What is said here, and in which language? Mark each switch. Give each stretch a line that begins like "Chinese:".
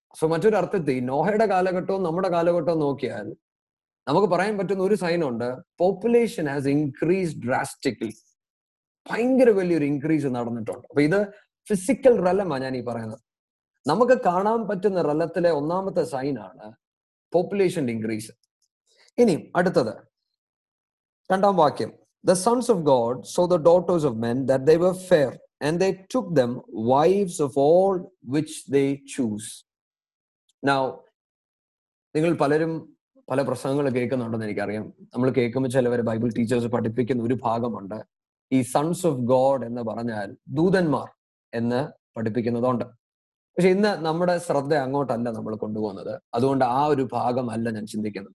Malayalam: So മറ്റൊരു അർത്ഥത്തിൽ നോഹയുടെ കാലഘട്ടവും നമ്മുടെ കാലഘട്ടവും നോക്കിയാൽ നമുക്ക് പറയാൻ പറ്റുന്ന ഒരു സൈൻ ഉണ്ട്,
English: Population has increase drastically.
Malayalam: ഭയങ്കര വലിയൊരു ഇൻക്രീസ് നടന്നിട്ടുണ്ട്. അപ്പൊ ഇത് ഫിസിക്കൽ റലമാണ് ഞാൻ ഈ പറയുന്നത്. നമുക്ക് കാണാൻ പറ്റുന്ന റലത്തിലെ ഒന്നാമത്തെ സൈനാണ് പോപ്പുലേഷന്റെ ഇൻക്രീസ്. ഇനിയും അടുത്തത്
English: 2 The sons of God saw the daughters of men that they were fair, and they took them wives of all which they choose.
Malayalam: Now, നിങ്ങൾ പലരും പല പ്രസംഗങ്ങൾ കേൾക്കുന്നുണ്ടെന്ന് എനിക്കറിയാം. നമ്മൾ കേൾക്കുമ്പോൾ ചിലവർ ബൈബിൾ ടീച്ചേഴ്സ് പഠിപ്പിക്കുന്ന ഒരു ഭാഗമുണ്ട്, ഈ
English: sons of God
Malayalam: എന്ന് പറഞ്ഞാൽ ദൂതന്മാർ എന്ന് പഠിപ്പിക്കുന്നതുണ്ട്. പക്ഷെ ഇന്ന് നമ്മുടെ ശ്രദ്ധ അങ്ങോട്ടല്ല നമ്മൾ കൊണ്ടുപോകുന്നത്. അതുകൊണ്ട് ആ ഒരു ഭാഗമല്ല ഞാൻ ചിന്തിക്കുന്നത്.